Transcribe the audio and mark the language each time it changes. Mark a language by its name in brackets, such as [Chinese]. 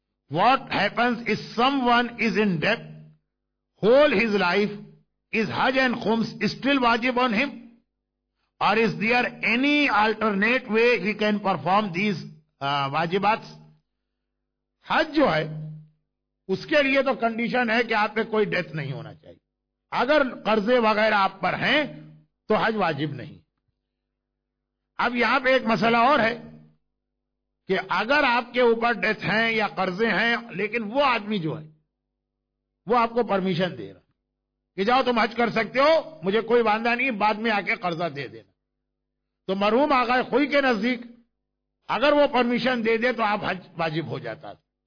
[English] What happens is someone is in debt whole his life, is Hajj and Khums still wajib on him, or is there any alternate way he can perform these wajibats? [Urdu] Hajj جو ہے اس کے لیے تو condition ہے کہ آپ پہ کوئی ڈیتھ نہیں ہونا چاہیے. اگر قرضے وغیرہ آپ پر ہیں تو حج واجب نہیں. اب یہاں پہ ایک مسئلہ اور ہے کہ اگر آپ کے اوپر ڈیتھ ہیں یا قرضے ہیں، لیکن وہ آدمی جو ہے وہ آپ کو پرمیشن دے رہا کہ جاؤ تم حج کر سکتے ہو، مجھے کوئی باندھا نہیں، بعد میں آ کے قرضہ دے دینا. تو مرحوم آقا خوئی کے نزدیک اگر وہ پرمیشن دے دے تو آپ حج واجب ہو جاتا تھا.